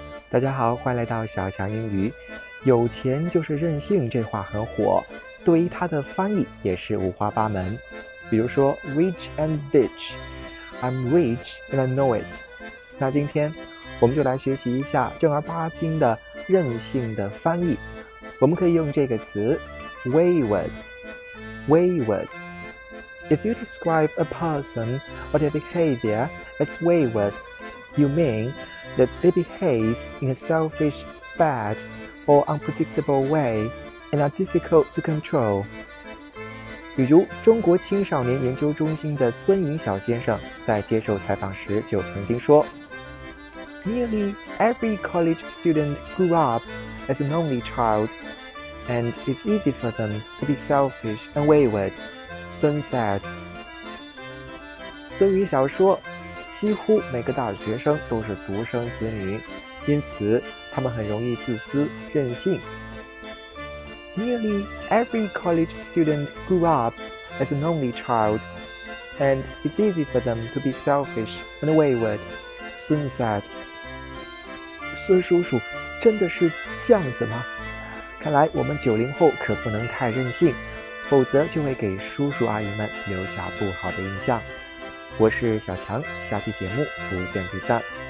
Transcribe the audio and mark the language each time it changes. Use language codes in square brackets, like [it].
[zh] 大家好，欢迎来到小强英语。有钱就是任性，这话很火，对于它的翻译也是五花八门。比如说 [en] rich and bitch， I'm rich and I know it。 [zh] 那今天我们就来学习一下正儿八经的任性的翻译。我们可以用这个词 wayward， wayward。 [en] If you describe a person or their behavior as wayward, you mean that they behave in a selfish, bad or unpredictable way and are difficult to control。 [zh] 比如中国青少年研究中心的孙颖晓先生在接受采访时就曾经说， [en] Nearly every college student grew up as an only child, and it's easy for them to be selfish and wayward, Sun said. [zh] 孙颖晓说，几乎每个大学生都是独生子女，因此他们很容易自私任性。 [en] Nearly every college student grew up as an only child, and it's easy for them to be selfish and wayward, Sun said. [zh] 孙叔叔，真的是这样子吗？看来我们90后可不能太任性，否则就会给叔叔阿姨们留下不好的印象。我是小强，下期节目不见不散。